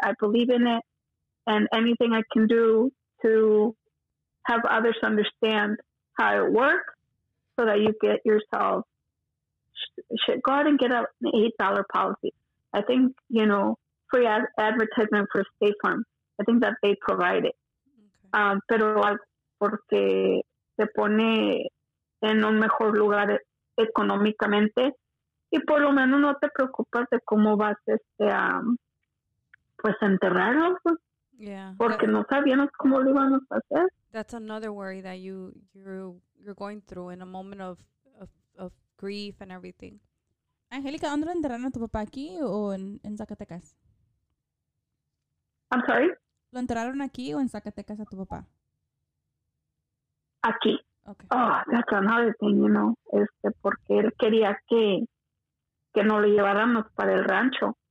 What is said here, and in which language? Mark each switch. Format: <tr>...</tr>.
<en>I believe in it, and anything I can do to have others understand how it works so that you get yourself, go ahead and get an $8 policy. I think, you know, free advertisement for State Farm. I think that they provide it. Okay.</en> <es>Pero porque se pone en un mejor lugar económicamente y por lo menos no te preocupas de cómo vas este, pues enterrarlo.</es> <en>Yeah.</en> <es>Porque no sabíamos cómo lo íbamos a hacer.</es> <en>That's another worry that you're going through in a moment of grief and everything.</en> <es>Angelica, ¿dónde enterraron a tu papá aquí o en Zacatecas?</es> <en>I'm sorry?</en> <es>¿Lo enterraron aquí o en Zacatecas a tu papá? Aquí.</es> <en>Okay. Oh, that's another thing, you know.</en> <es>Este, porque él quería que no lo lleváramos para el rancho.</es>